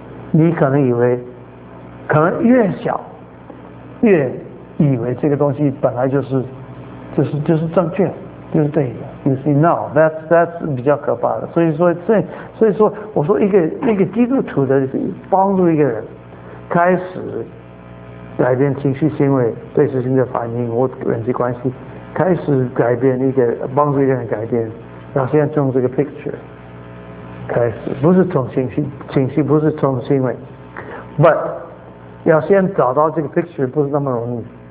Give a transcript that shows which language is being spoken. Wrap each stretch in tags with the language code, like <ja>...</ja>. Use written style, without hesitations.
<zh>你可能以为，可能越小越以为这个东西本来就是正确，就是对的。</zh> <en>You see, no, that's</en> <zh>比较可怕的。所以说，我说一个基督徒的帮助一个人开始改变情绪行为、对事情的反应或人际关系，开始改变一个帮助一个人改变。然后现在从这个 picture 开始，不是从情绪，不是从行为 ，but 要先找到这个 picture 不是那么容易。</zh>